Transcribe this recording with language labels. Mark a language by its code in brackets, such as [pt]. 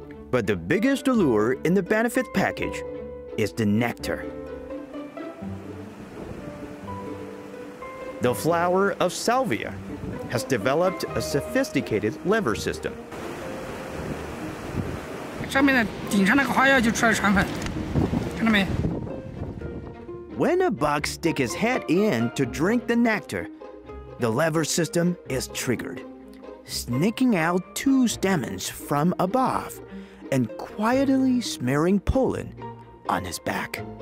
[en] But the biggest allure in the benefit package is the nectar. The flower of salvia has developed a sophisticated liver system. [zh] 上面的顶上那个花药就出来传粉，看到没？ [en] When a bug sticks his head in to drink the nectar, the liver system is triggered, sneaking out two stamens from above and quietly smearing pollen on his back.